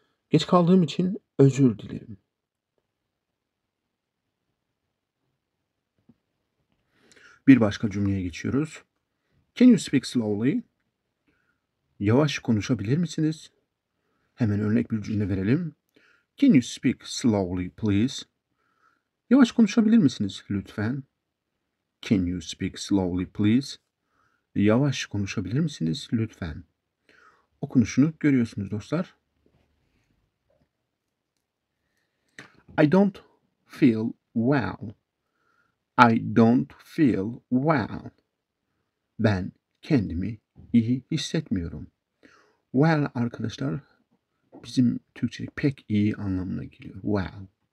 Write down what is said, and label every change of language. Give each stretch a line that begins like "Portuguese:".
Turkish: Geç kaldığım için özür dilerim. Bir başka cümleye geçiyoruz.
English: Can you speak slowly?
Turkish: Yavaş konuşabilir misiniz? Hemen örnek bir cümle verelim.
English: Can you speak slowly, please?
Turkish: Yavaş konuşabilir misiniz lütfen?
English: Can you speak slowly, please?
Turkish: Yavaş konuşabilir misiniz lütfen? Okunuşunu görüyorsunuz dostlar.
English: I don't feel well. I don't feel well.
Turkish: Ben kendimi iyi hissetmiyorum. Well arkadaşlar bizim Türkçe'de pek iyi anlamına geliyor. Well.